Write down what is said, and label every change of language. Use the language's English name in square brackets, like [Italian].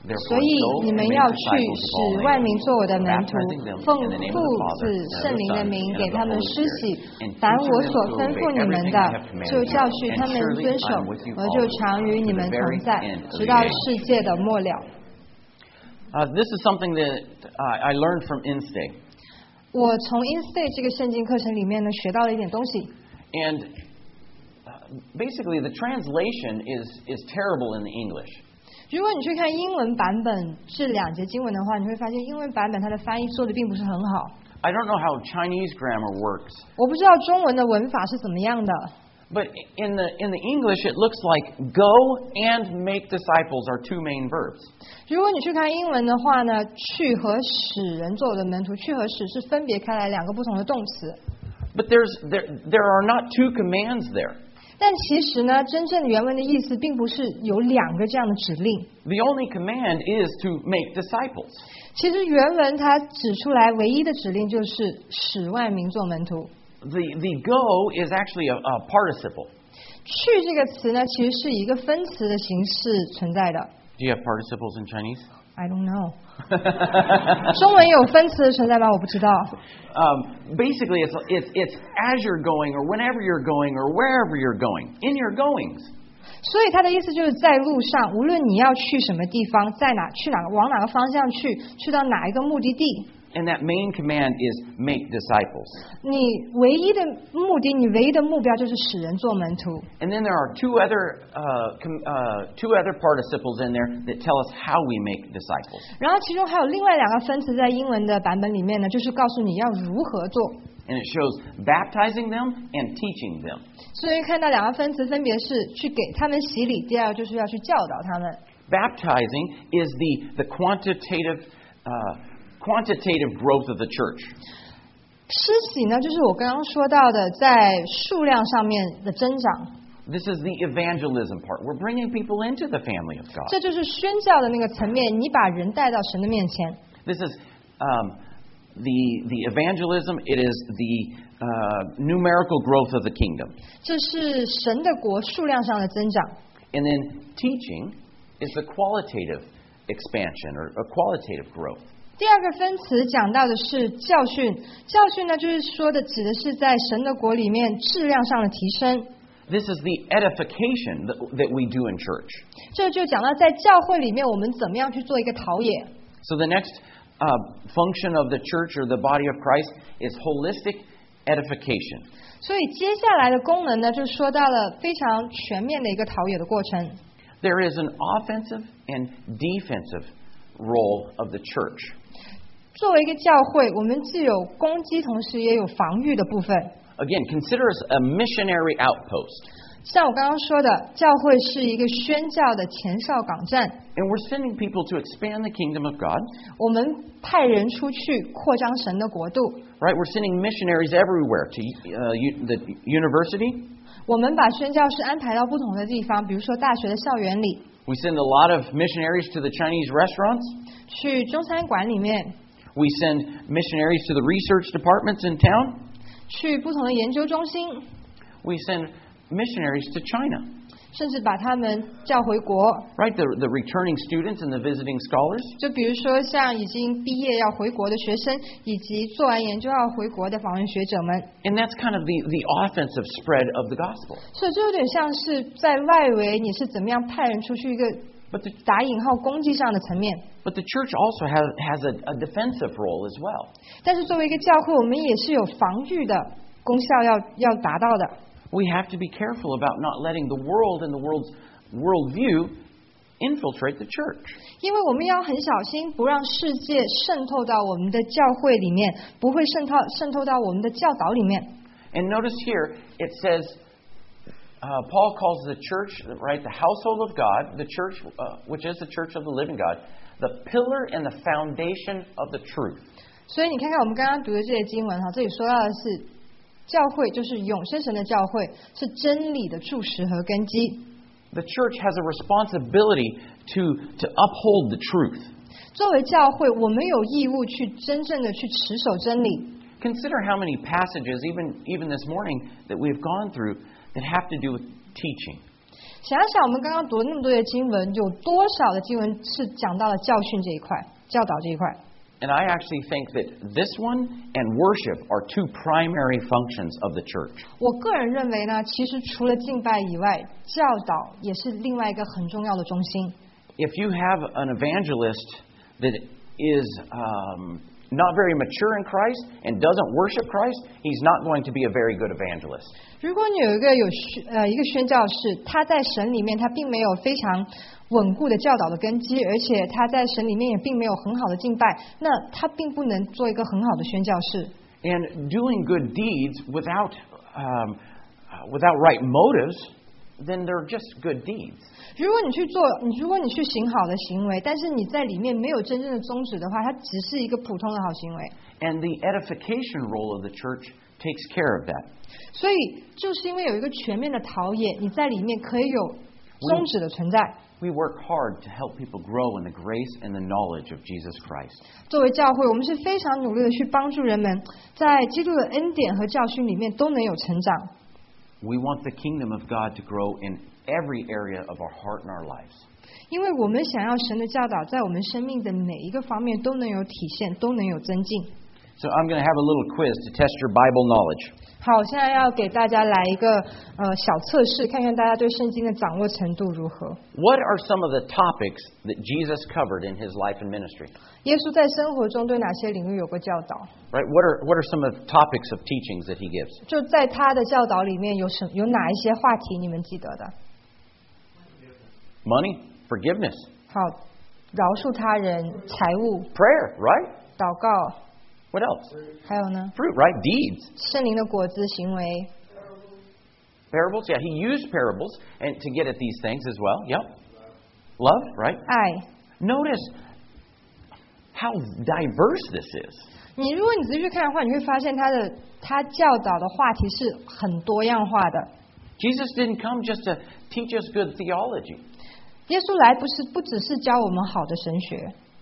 [Chinese] 所以你们要去使万民做我的门徒，奉父子圣灵的名给他们施洗，凡我所吩咐你们的就教训他们遵守，我就常与你们同在直到世界的末了。 [English] This is something that I learned from Instay. [Chinese] 我从 Instay 这个圣经课程里面呢学到了一点东西。 [English] And basically the translation is terrible in the English. [Chinese] 如果你去看英文版本是两节经文的话，你会发现英文版本它的翻译做的并不是很好。 [English] I don't know how Chinese grammar works. [Chinese] 我不知道中文的文法是怎么样的。 [English] But in the English, it looks like go and make disciples are two main verbs. [Chinese] 如果你去看英文的话呢，去和使人做我的门徒，去和使是分别开来两个不同的动词。 [English] But there are not two commands there. [Chinese] 但其实呢，真正原文的意思并不是有两个这样的指令。 [English] The only command is to make disciples. [Chinese] 其实原文它指出来唯一的指令就是使万民做门徒。 [English] The go is actually a participle. [Chinese] 去这个词呢，其实是一个分词的形式存在的。 [English] Do you have participles in Chinese? I don't know. [Chinese] 中文有分词的存在吗？我不知道。 [English] Basically, it's as you're going, or whenever you're going, or wherever you're going, in your goings. [Chinese] 所以它的意思就是在路上，无论你要去什么地方，在哪去哪往哪个方向去，去到哪一个目的地。 [English] And that main command is make disciples. [Chinese] 你唯一的目的，你唯一的目标就是使人做门徒。 [English] And then there are two other participles in there that tell us how we make disciples. [Chinese] 然后其中还有另外两个分词在英文的版本里面呢，就是告诉你要如何做。 [English] And it shows baptizing them and teaching them. [Chinese] 所以看到两个分词分别是去给他们洗礼，第二就是要去教导他们。 [English] Baptizing is the quantitative quantitative growth of the church. [Chinese] 施洗呢，就是我刚刚说到的，在数量上面的增长。 [English] This is the evangelism part. We're bringing people into the family of God. [Chinese] 这就是宣教的那个层面，你把人带到神的面前。 [English] This is, the evangelism. It is the numerical growth of the kingdom. [Chinese] 这是神的国数量上的增长。 [English] And then teaching is the qualitative expansion or a qualitative growth. [Chinese] 第二个分词讲到的是教训，教训呢就是说的指的是在神的国里面质量上的提升。 [English] This is the edification that we do in church. [Chinese] 这就讲到在教会里面我们怎么样去做一个陶冶。 [English] So the next function of the church or the body of Christ is holistic edification. [Chinese] 所以接下来的功能呢，就说到了非常全面的一个陶冶的过程。 [English] There is an offensive and defensive role of the church. [Chinese] 作为一个教会，我们既有攻击，同时也有防御的部分。 [English] Again, consider us a missionary outpost. [Chinese] 像我刚刚说的，教会是一个宣教的前哨港站。 [English] And we're sending people to expand the kingdom of God. [Chinese] 我们派人出去扩张神的国度。 [English] Right, we're sending missionaries everywhere to the university. [Chinese] 我们把宣教士安排到不同的地方，比如说大学的校园里。 [English] We send a lot of missionaries to the Chinese restaurants. [Chinese] 去中餐馆里面。 [English] We send missionaries to the research departments in town. [Chinese] 去不同的研究中心。 [English] We send missionaries to China. [Chinese] 甚至把他们叫回国。 [English] Right, the returning students and the visiting scholars. [Chinese] 就比如说像已经毕业要回国的学生，以及做完研究要回国的访问学者们。 [English] And that's kind of the offensive spread of the gospel. [Chinese] 所以就有点像是在外围，你是怎么样派人出去一个。 [English] But the, [Chinese] 打引号攻击上的层面。 [English] But the church also has a defensive role as well. [Chinese] 但是作为一个教会，我们也是有防御的功效要达到的。 [English] We have to be careful about not letting the world and the world's worldview infiltrate the church. [Chinese] 因为我们要很小心，不让世界渗透到我们的教会里面，不会渗透到我们的教导里面。 [English] And notice here, it says. Paul calls the church, right, the household of God, the church, which is the church of the living God, the pillar and the foundation of the truth. [Chinese] 所以你看看我们刚刚读的这些经文，这里说到的是教会，就是永生神的教会，是真理的柱石和根基。 [English] The church has a responsibility to uphold the truth. [Chinese] 作为教会，我们有义务去真正的去持守真理。 [English] Consider how many passages, even this morning, that we've gone through,that have to do with teaching. [Chinese] 想想我们刚刚读了那么多的经文，有多少的经文是讲到了教训这一块，教导这一块。 [English] And I actually think that this one and worship are two primary functions of the church. [Chinese] 我个人认为呢，其实除了敬拜以外，教导也是另外一个很重要的中心。 [English] If you have an evangelist that is not very mature in Christ and doesn't worship Christ, he's not going to be a very good evangelist. [Chinese] 如果你有一个宣教士，他在神里面他并没有非常稳固的教导的根基，而且他在神里面也并没有很好的敬拜，那他并不能做一个很好的宣教士。 [English] And doing good deeds without right motives, then they're just good deeds. [Chinese] 如果你去行好的行为，但是你在里面没有真正的宗旨的话，它只是一个普通的好行为。 [English] And the edification role of the church takes care of that. [Chinese] 所以就是因为有一个全面的陶冶，你在里面可以有宗旨的存在。 [English] We work hard to help people grow in the grace and the knowledge of Jesus Christ. [Chinese] 作为教会，我们是非常努力的去帮助人们在基督的恩典和教训里面都能有成长。 [English] We want the kingdom of God to grow in every area of our heart and our lives. [Chinese] 因为我们想要神的教导在我们生命的每一个方面都能有体现，都能有增进。 [English] So I'm going to have a little quiz to test your Bible knowledge. [Chinese] 好，现在要给大家来一个小测试，看看大家对圣经的掌握程度如何。 [English] What are some of the topics that Jesus covered in his life and ministry? [Chinese] 耶稣在生活中对哪些领域有过教导？ [English] Right, what are some of the topics of teachings that he gives? [Chinese] 就在他的教导里面有哪一些话题你们记得的？ [English] Money, forgiveness. [Chinese] 好，饶恕他人，财务。 [English] Prayer, right? [Chinese] 祷告。 [English] What else? [Chinese] 还有呢？ [English] Fruit, right? Deeds. [Chinese] 圣灵的果子，行为。 [English] Parables, yeah. He used parables and to get at these things as well. Yep. Love, right? [Chinese] 爱。 [English] Notice how diverse this is. [Chinese] 你如果你仔细看的话，你会发现他的他教导的话题是很多样化的。 [English] Jesus didn't come just to teach us good theology. [Chinese] 耶稣来不是不只是教我们好的神学。